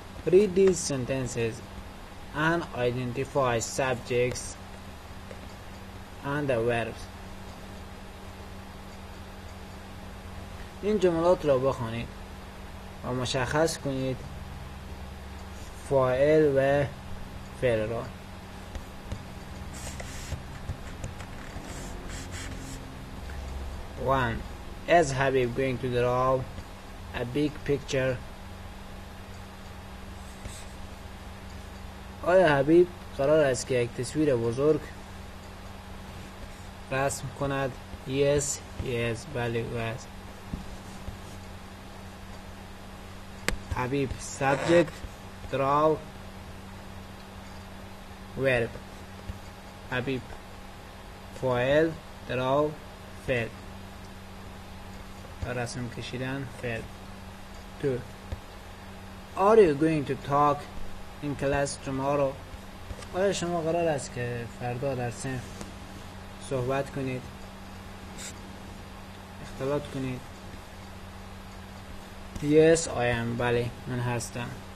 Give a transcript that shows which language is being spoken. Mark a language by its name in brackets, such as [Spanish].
[English] Read these sentences and identify subjects and the verbs. [Persian] این جملات را بخونید و مشخص کنید فاعل و فعل را. [English] One. Is Habib going to draw a big picture? [Persian] آیا حبیب قرار است که یک تصویر بزرگ رسم کند. [English] Yes, yes, [Persian] بله [English] yes. Habib subject, draw, verb. [Persian] حبیب فعل, draw, فعل. رسم کشیدن فعل. تو [English] Are you going to talk in class tomorrow? [Persian] آیا شما قرار است که فردا در صنف صحبت کنید؟ اختلاط کنید؟ [English] Yes, I am. [Persian] بله من هستم.